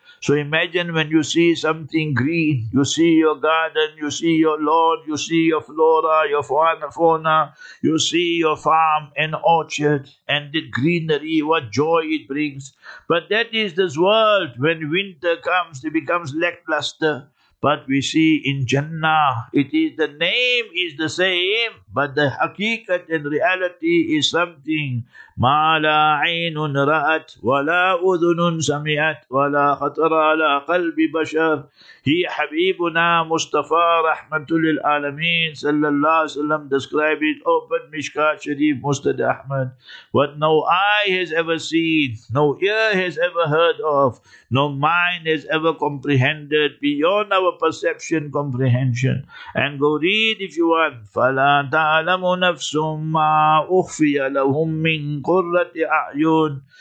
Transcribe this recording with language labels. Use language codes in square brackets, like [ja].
[en] So imagine when you see something green, you see your garden, you see your lawn, you see your flora, your fauna, you see your farm and orchard and the greenery, what joy it brings. But that is this world. When winter comes, it becomes lackluster. But we see in Jannah, it is the name is the same, but the haqiqat and reality is something. [ar] مَا لَا عَيْنٌ رَأَتْ وَلَا أُذُنٌ سَمِعَتْ وَلَا خَطَرَ عَلَىٰ قَلْبِ بَشَرٍ هِي حَبِيبُنَا مُصْطَفَىٰ رَحْمَةُ لِلْعَالَمِينَ صلى الله عليه وسلم [en] describe it, open Mishkat Sharif Mustad Ahmad. What no eye has ever seen, no ear has ever heard of, no mind has ever comprehended beyond our perception, comprehension. And go read if you want. [ar] فَلَا تَعْلَمُ نَفْسٌ مَا أُخْفِيَ لَهُمْ مِنْ قُرَّةِ أَعْيُنٍ.